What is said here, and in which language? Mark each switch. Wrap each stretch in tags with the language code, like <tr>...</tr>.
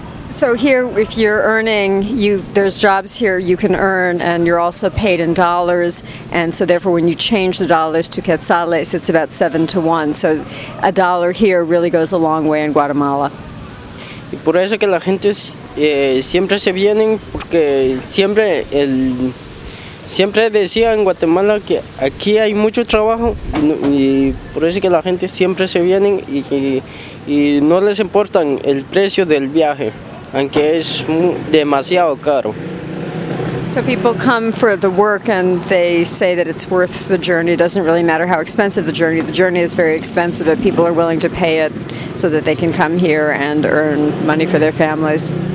<en>So here, if you're earning, there's jobs here you can earn, and you're also paid in dollars, and so therefore when you change the dollars to quetzales, it's about 7 to 1, so a dollar here really goes a long way in Guatemala.</en> <es>Y por eso que la gente siempre se vienen, porque siempre decía en Guatemala que aquí hay mucho trabajo, y por eso que la gente siempre se vienen, y no les importan el precio del viaje. Aunque es demasiado caro.</es> <en>So people come for the work and they say that it's worth the journey. It doesn't really matter how expensive the journey. The journey is very expensive, but people are willing to pay it so that they can come here and earn money for their families.</en>